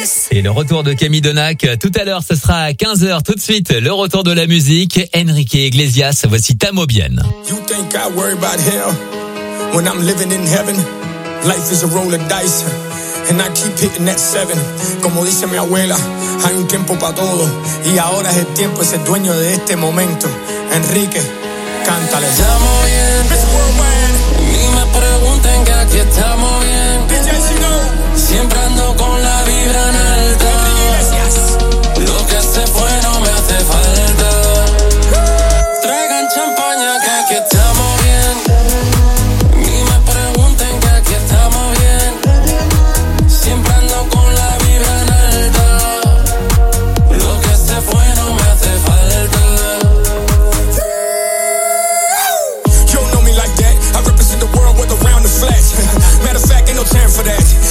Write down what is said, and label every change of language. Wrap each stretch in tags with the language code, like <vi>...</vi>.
<fr>Et le retour de Camille Denac, tout à l'heure, ce sera à 15h. Tout de suite, le retour de la musique. Enrique Iglesias, voici Tamo Bien.</fr> <en>You think I worry about hell when I'm living in heaven? Life is a roll of dice and I keep hitting that 7.</en> <es>Como dice mi abuela, hay un tiempo para todo y ahora es el tiempo, es el dueño de este momento. Enrique, cántale. Tamo Bien,</es> <en>it's worldwide.</en> <es>Ni me pregunten que aquí estamos bien. DJ Chino, siempre ando con la vibra en alta. Gracias. Lo que se fue no me hace falta. Traigan champaña que aquí estamos bien. Ni me pregunten que aquí estamos bien. Siempre ando con la vibra en alta. Lo que se fue no me hace falta.</es> <en>You don't know me like that. I represent the world with a round of flesh. Matter of fact, ain't no time for that.</en>